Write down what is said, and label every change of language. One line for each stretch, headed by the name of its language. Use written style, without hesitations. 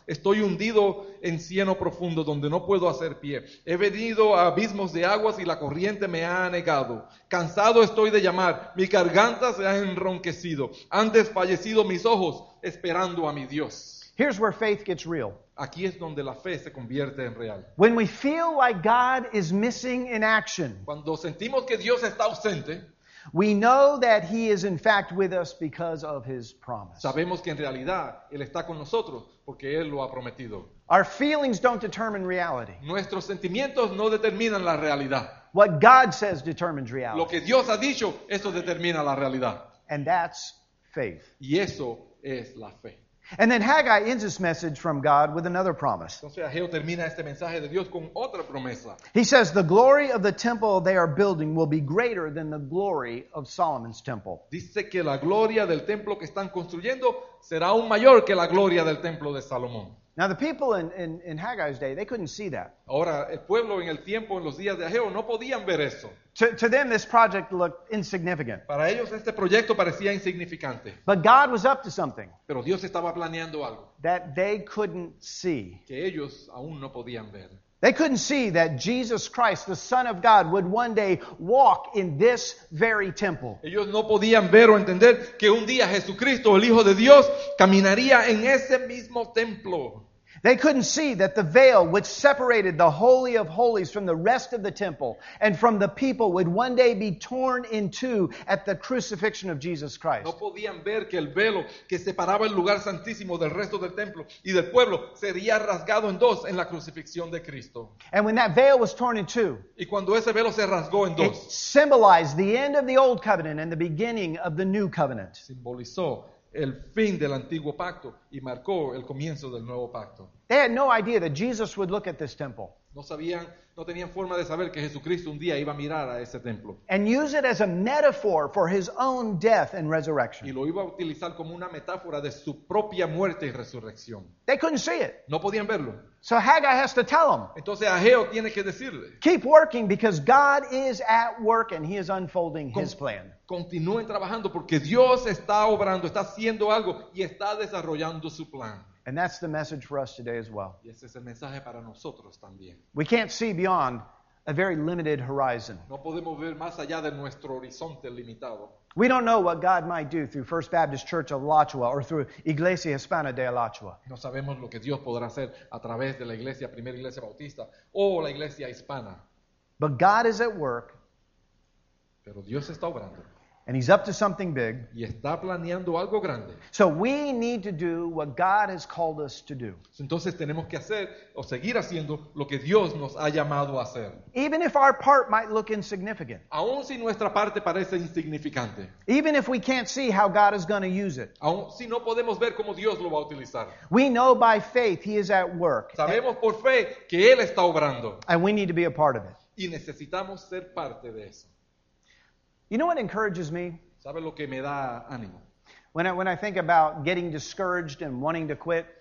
Spanish: Estoy hundido en cieno profundo donde no puedo hacer pie. He venido a abismos de aguas y la corriente me ha anegado. Cansado estoy de llamar. Mi garganta se ha enronquecido. Han desfallecido mis ojos esperando a mi Dios.
English: Here's where faith gets real.
Spanish: Aquí es donde la fe se convierte en real.
English: When we feel like God is missing in action,
Spanish: cuando sentimos que Dios está ausente,
English: we know that he is in fact with us because of his promise.
Spanish: Sabemos que en realidad él está con nosotros porque él lo ha prometido.
English: Our feelings don't determine reality.
Spanish: Nuestros sentimientos no determinan la realidad.
English: What God says determines reality.
Spanish: Lo que Dios ha dicho, eso determina la realidad.
English: And that's faith.
Spanish: Y eso es la fe.
English: And then Haggai ends his message from God with another promise.
Spanish: Entonces, Haggai termina este mensaje de Dios con otra promesa.
English: He says, the glory of the temple they are building will be greater than the glory of Solomon's temple.
Spanish: Dice que la gloria del templo que están construyendo será aún mayor que la gloria del templo de Salomón.
English: Now the people in Haggai's day, they couldn't see that.
Spanish: Ahora el pueblo en el tiempo en los días de Ageo no podían ver eso.
English: To them this project looked insignificant.
Spanish: Para ellos este proyecto parecía insignificante.
English: But God was up to something.
Spanish: Pero Dios estaba planeando algo.
English: That they couldn't see.
Spanish: Que ellos aún no podían ver.
English: They couldn't see that Jesus Christ, the Son of God, would one day walk in this very temple.
Spanish: Ellos no podían ver o entender que un día Jesucristo, el Hijo de Dios, caminaría en ese mismo templo.
English: They couldn't see that the veil which separated the Holy of Holies from the rest of the temple and from the people would one day be torn in two at the crucifixion of Jesus Christ.
Spanish: No podían ver que el velo que separaba el lugar santísimo del resto del templo y del pueblo sería rasgado en dos en la crucifixión de Cristo.
English: And when that veil was torn in two,
Spanish: y cuando ese velo se rasgó en dos,
English: it symbolized the end of the old covenant and the beginning of the new covenant.
Spanish: Simbolizó el fin del antiguo pacto y marcó el comienzo del nuevo pacto.
English: They had no idea that Jesus would look at this temple.
Spanish: No sabían, no tenían forma de saber que Jesucristo un día iba a mirar a ese templo.
English: And use it as a metaphor for his own death and resurrection.
Spanish: Y lo iba a utilizar como una metáfora de su propia muerte y resurrección.
English: They couldn't see it.
Spanish: No podían verlo.
English: So Haggai has to tell them.
Spanish: Entonces Ageo tiene que decirle.
English: Keep working because God is at work and he is unfolding his plan.
Spanish: Continúen trabajando porque Dios está obrando, está haciendo algo y está desarrollando su plan.
English: And that's the message for us today as well.
Spanish: Y ese es el mensaje para nosotros también.
English: We can't see beyond a very limited horizon.
Spanish: No podemos ver más allá de nuestro horizonte limitado.
English: We don't know what God might do through First Baptist Church of Alachua or through Iglesia Hispana de Alachua.
Spanish: No sabemos lo que Dios podrá hacer a través de la Iglesia, Primera Iglesia Bautista o la Iglesia Hispana.
English: But God is at work.
Spanish: Pero Dios está obrando.
English: And he's up to something big.
Spanish: Y está planeando algo grande.
English: So we need to do what God has called us to do.
Spanish: Entonces tenemos que hacer o seguir haciendo lo que Dios nos ha llamado a hacer.
English: Even if our part might look insignificant.
Spanish: Aun si nuestra parte parece insignificante.
English: Even if we can't see how God is going to use it.
Spanish: Aun si no podemos ver cómo Dios lo va a utilizar.
English: We know by faith he is at work.
Spanish: Sabemos por fe que él está obrando.
English: And we need to be a part of it.
Spanish: Y necesitamos ser parte de eso.
English: You know what encourages me?
Spanish: ¿Sabe lo que me da ánimo?
English: When I think about getting discouraged and wanting to quit.